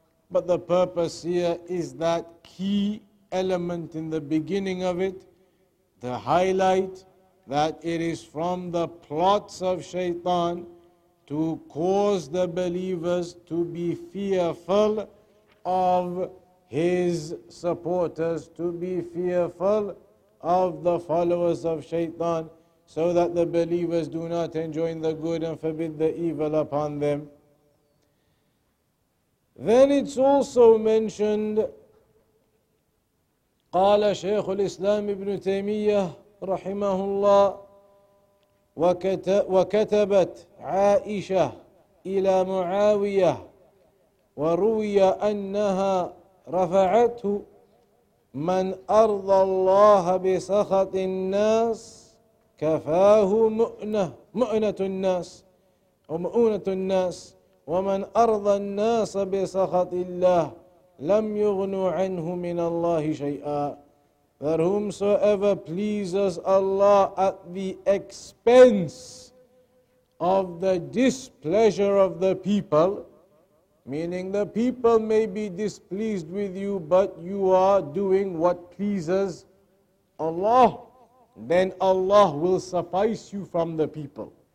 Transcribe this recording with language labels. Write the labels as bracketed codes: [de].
[en] But the purpose here is that key element in the beginning of it, to highlight that it is from the plots of Shaitan to cause the believers to be fearful of his supporters, to be fearful of the followers of Shaitan, so that the believers do not enjoin the good and forbid the evil upon them. Then it's also mentioned, [ar] قَالَ شَيْخُ الْإِسْلَامِ ابْنُ تَيْمِيَّةِ رَحِمَهُ اللَّهِ وكتبت عائشة إلى معاوية وروي أنها رفعته من أرضى الله بسخط الناس كفاه مؤنة الناس ومن أرضى الناس بسخط الله لم يغنوا عنه من الله شيئا. [en] That whomsoever pleases Allah at the expense of the displeasure of the people, meaning the people may be displeased with you, but you are doing what pleases Allah, then Allah will suffice you from the people.